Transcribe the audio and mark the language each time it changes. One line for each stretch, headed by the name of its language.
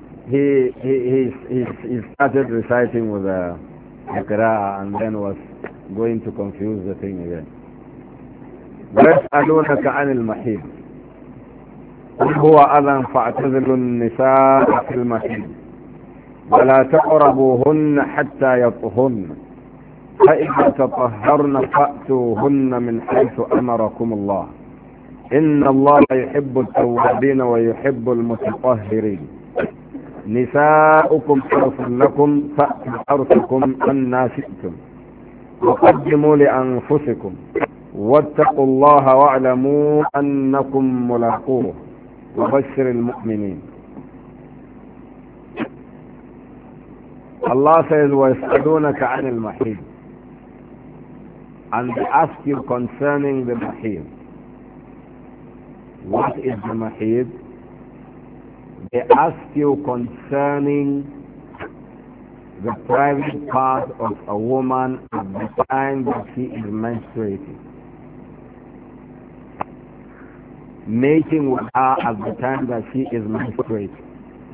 English: he started reciting with a qira'ah and then was going to confuse the thing again.
Arabic: ويسألونك عن المحيض قل هو أذى فاعتزلوا النساء في المحيض ولا تقربوهن حتى يطهرن فإذا تطهرن فأتوهن من حيث أمركم الله إن الله يحب التوابين ويحب المتطهرين نساؤكم حرص لكم فأتوا حرصكم أنا شئتم وقدموا لأنفسكم واتقوا الله واعلموا أنكم ملاقوه وبشر المؤمنين.
English: Allah says,
Arabic: وَيَسْأَلُونَكَ عَنِ الْمَحِيضِ,
English: and they ask you concerning the mahid. What is the mahid? They ask you concerning the private part of a woman at the time that she is menstruating, mating with her at the time that she is menstruating.